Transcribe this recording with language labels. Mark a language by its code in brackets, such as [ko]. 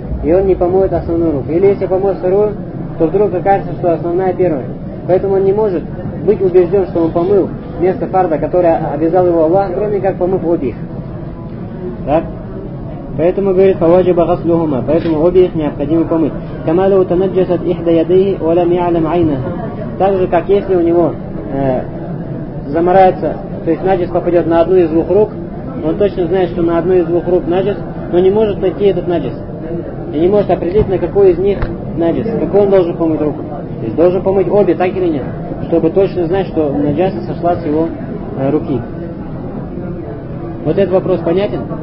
[ru] И он не помоет основную руку. Или если помоет вторую, то вдруг окажется, что основная первая. Поэтому он не может быть убежден, что он помыл место фарда, которое обязал его Аллах, кроме как помыв обе их. Так? Поэтому говорит [ar] فواجب غسلهما, [ru] поэтому обе их необходимо помыть. [ar] كما لو تنجست إحدى يديه ولم يعلم عينها. [ru] Так же, как если у него замарается, то есть наджис попадет на одну из двух рук, он точно знает, что на одну из двух рук наджис, но не может найти этот наджис. И не может определить, на какую из них наджис, какую он должен помыть руку. То есть должен помыть обе, так или нет, чтобы точно знать, что наджаса сошла с его руки. Вот этот вопрос понятен?